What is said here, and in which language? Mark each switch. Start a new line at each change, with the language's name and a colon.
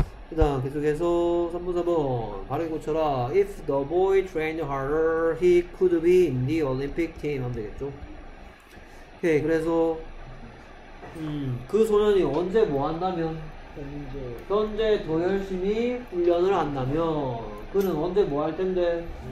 Korean: 그 다음 계속해서 3번 바르게 고쳐라.
English: If the boy trained harder he could be in the Olympic team
Korean: 하면 되겠죠. 오케이. 그래서 그 소년이 언제 뭐 한다면? 현재 더 열심히 훈련을 한다면. 그는 언제 뭐 할 텐데?